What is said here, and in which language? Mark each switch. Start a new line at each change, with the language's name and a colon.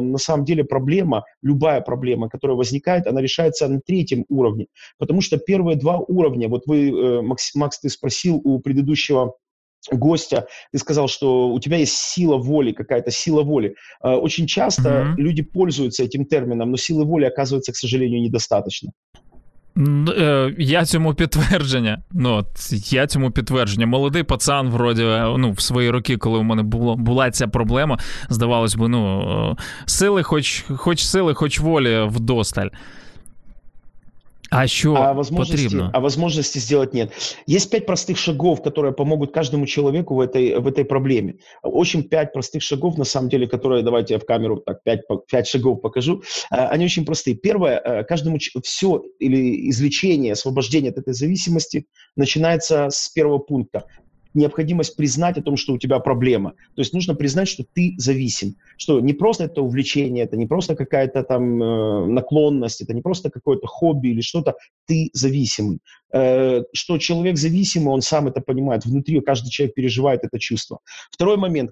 Russian: Но на самом деле проблема, любая проблема, которая возникает, она решается на третьем уровне, потому что первые два уровня, вот вы, Макс, ты спросил у предыдущего гостя, ты сказал, что у тебя есть сила воли, какая-то сила воли. Очень часто люди пользуются этим термином, но силы воли оказывается, к сожалению, недостаточно.
Ukrainian: Я цьому підтвердження. Ну, я цьому підтвердження. Молодий пацан, вроді, ну, в свої роки, коли у мене була ця проблема, здавалось би, ну, сили, хоч сили, хоч волі вдосталь. А що потрібно? А можливості зробити ні. Є 5 простих шагів, які допоможуть кожному чоловіку в цій проблемі. Дуже 5 простих шагів,
Russian: на самом деле,
Ukrainian: які, давайте я в камеру так 5 шагів покажу. Вони дуже прості. Перше, кожному все, або излечення, освобождення від цієї залежності починається з першого пункту.
Russian: Необходимость признать о том, что у тебя проблема. То есть нужно признать, что ты зависим. Что не просто это увлечение, это не просто какая-то там наклонность, это не просто какое-то хобби или что-то. Ты зависимый. Что человек зависимый, он сам это понимает. Внутри каждый человек переживает это чувство. Второй момент.